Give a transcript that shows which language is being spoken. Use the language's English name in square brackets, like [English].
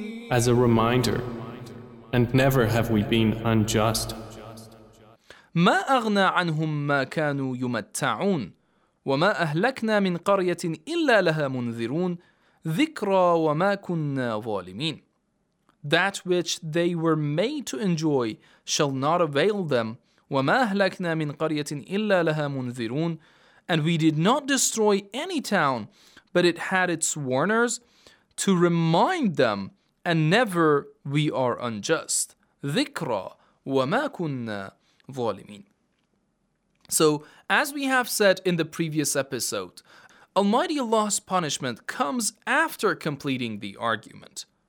[English] As a reminder, and never have we been unjust. [Arabic] ما أغنى عنهم ما كانوا يمتعون وما أهلكنا من قرية إلا لها منذرون ذكرى وما كنا ظالمين. [English] That which they were made to enjoy shall not avail them. [Arabic] وما أهلكنا من قرية إلا لها منذرون. [English] And we did not destroy any town, but it had its warners, to remind them, and never we are unjust. [Arabic] ذِكْرَ وَمَا كُنَّا ظَالِمِينَ. [English] So, as we have said in the previous episode, Almighty Allah's punishment comes after completing the argument.